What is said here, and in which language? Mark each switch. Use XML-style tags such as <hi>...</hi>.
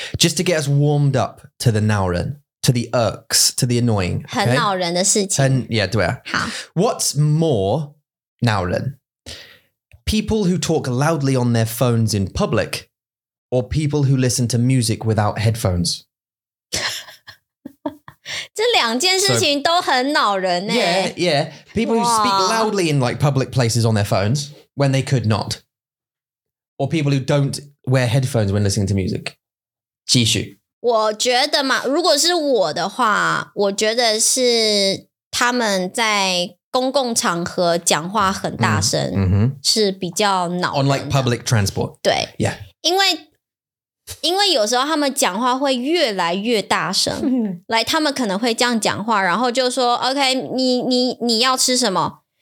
<en>Just to get us warmed up to the 恼人, to the irks, to the annoying.</en> <zh>Okay? 很恼人的事情。 Yeah, 对啊。好。</zh> <en>What's more 恼人? People who talk loudly on their phones in public or people who listen to music without headphones?</en> <zh>这两件事情都很恼人耶。</zh> <en>Yeah, yeah. People who speak loudly in like public places on their phones when they could not. Or people who don't wear headphones when listening to music.</en> <zh>继续。我觉得嘛, 如果是我的话, 我觉得是他们在公共场合讲话很大声, 是比较恼人的。</zh> <en>On like public transport.</en> <zh>对。</zh> <en>Yeah.</en> <zh>因为有时候他们讲话会越来越大声, like 他们可能会这样讲话, 然后就说, okay, 你要吃什么?</zh>